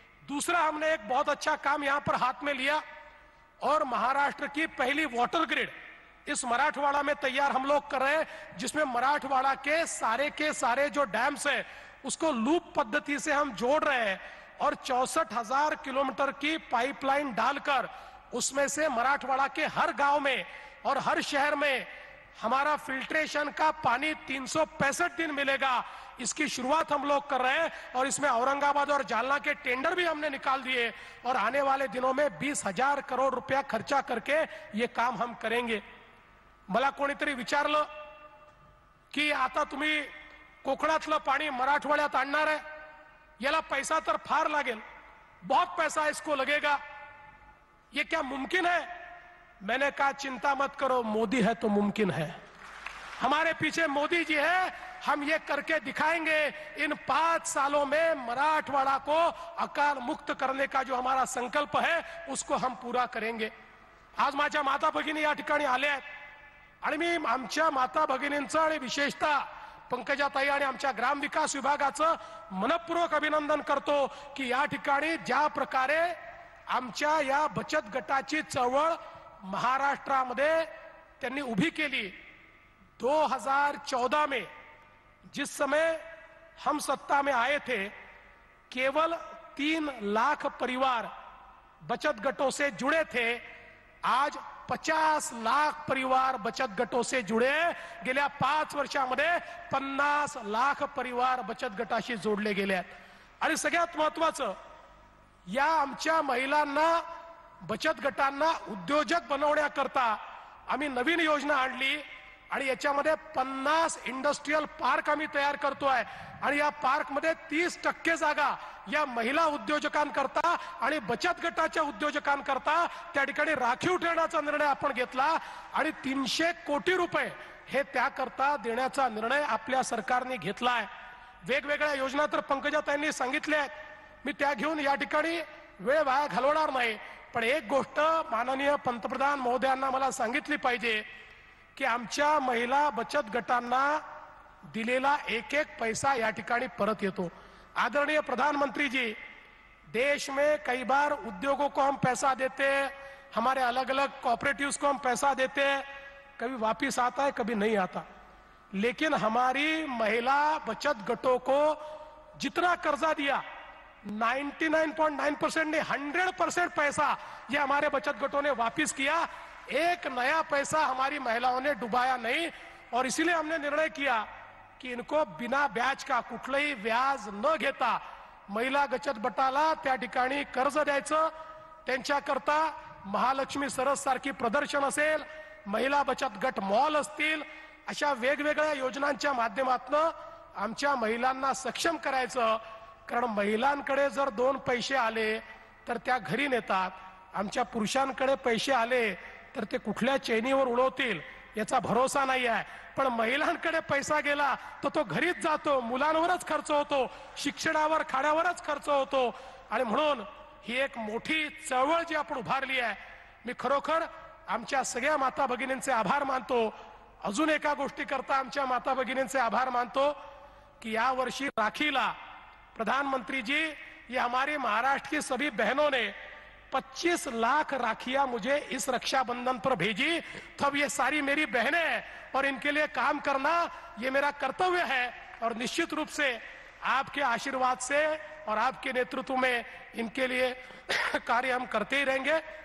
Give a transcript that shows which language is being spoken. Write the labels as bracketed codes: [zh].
[hi] दूसरा, हमने एक बहुत अच्छा काम यहाँ पर हाथ में लिया और महाराष्ट्र की पहली वाटर ग्रिड इस मराठवाड़ा में तैयार हम लोग कर रहे हैं, जिसमें मराठवाड़ा के सारे जो डैम्स है उसको लूप पद्धति से हम जोड़ रहे हैं और 64,000 किलोमीटर की पाइपलाइन डालकर उसमें से मराठवाड़ा के हर गांव में और हर शहर में हमारा फिल्ट्रेशन का पानी 365 दिन मिलेगा। इसकी शुरुआत हम लोग कर रहे हैं और इसमें औरंगाबाद और जालना के टेंडर भी हमने निकाल दिए और आने वाले दिनों में 20,000 करोड़ रुपया खर्चा करके ये काम हम करेंगे। [mr] मला कोणीतरी विचारलं की आता तुम्ही कोकणातलं पाणी मराठवाड्यात आणणार आहे, याला पैसा तर फार लागेल, [hi] बहुत पैसा इसको लगेगा, ये क्या मुमकिन है? मैंने कहा चिंता मत करो, मोदी है तो मुमकिन है। हमारे पीछे मोदी जी है, हम ये करके दिखाएंगे इन 5 सालों में मराठवाड़ा को अकाल मुक्त करने का जो हमारा संकल्प है उसको हम पूरा करेंगे। [mr] आज माझ्या माता भगिनी या ठिकाणी आले आहेत आणि मी आमच्या माता भगिनींचं आणि विशेषतः पंकजाताई आणि आमच्या ग्राम विकास विभागाचं मनपूर्वक अभिनंदन करतो की या ठिकाणी ज्या प्रकारे आमच्या या बचत गटाची चळवळ महाराष्ट्रामध्ये त्यांनी उभी केली। [hi] 2014 में जिस समय हम सत्ता में आए थे केवल 3 लाख परिवार बचत गटों से जुड़े थे, आज 50 लाख परिवार बचत गटों से जुड़े, [mr] गेल्या 5 वर्षांमध्ये 50 लाख परिवार बचत गटाशी जोडले गेले आहेत। आणि सगळ्यात महत्त्वाचं, या आमच्या महिलांना बचत गटांना उद्योजक बनवण्याकरता आम्ही नवीन योजना आणली आणि याच्यामध्ये 50 इंडस्ट्रियल पार्क आम्ही तयार करतोय आणि या पार्क मध्ये 30% जागा या महिला उद्योजकांकरता आणि बचत गटाच्या उद्योजकांकरता त्या ठिकाणी राखीव ठेवण्याचा निर्णय आपण घेतला आणि 300 कोटी रुपये हे त्याकरता देण्याचा निर्णय आपल्या सरकारने घेतलाय। वेगवेगळ्या योजना तर पंकजाताईंनी सांगितल्या आहेत, मी त्या घेऊन या ठिकाणी वेळ वाया घालवणार नाही, पण एक गोष्ट माननीय पंतप्रधान महोदयांना मला सांगितली पाहिजे की आमच्या महिला बचत गटांना दिलेला एक एक पैसा या ठिकाणी परत येतो। [hi] आदरणीय प्रधानमंत्री जी, देश में कई बार उद्योगों को हम पैसा देते, हमारे अलग अलग कॉपरेटिव्स को हम पैसा देते, कभी वापिस आता है कभी नहीं आता, लेकिन हमारी महिला बचत गटों को जितना कर्जा दिया 99.9% ने 100% पैसा ये हमारे बचत गटों ने वापिस किया, एक नया पैसा हमारी महिलाओं ने डुबाया नहीं। और इसीलिए हमने निर्णय किया कि इनको बिना ब्याज का [mr] कुठलेही व्याज न घेता महिला बचत गटाला त्या ठिकाणी कर्ज द्यायचं, त्यांच्या करता महालक्ष्मी सरस सारखी प्रदर्शन असेल, महिला बचत गट मॉल असतील, अशा वेगवेगळ्या योजनांच्या माध्यमातून आमच्या महिलांना सक्षम करायचं। कारण महिलांकडे जर 2 पैसे आले तर त्या घरी नेतात, आमच्या पुरुषांकडे पैसे आले तर ते कुठल्या चैनीवर उडवतील याचा भरोसा नाही आहे, पण महिलांकडे पैसा गेला तर तो घरीच जातो, मुलांवरच खर्च होतो, शिक्षणावर खाण्यावरच खर्च होतो। आणि म्हणून ही एक मोठी चळवळ जी आपण उभारली आहे, मी खरोखर आमच्या सगळ्या माता भगिनींचे आभार मानतो। अजून एका गोष्टी करता आमच्या माता भगिनींचे आभार मानतो की या वर्षी राखीला [hi] प्रधानमंत्री जी या हमारी महाराष्ट्र की सभी बहनों ने 25 लाख राखिया मुझे इस रक्षाबंधन पर भेजी, तब ये सारी मेरी बहनें हैं और इनके लिए काम करना ये मेरा कर्तव्य है और निश्चित रूप से आपके आशीर्वाद से और आपके नेतृत्व में इनके लिए कार्य हम करते ही रहेंगे।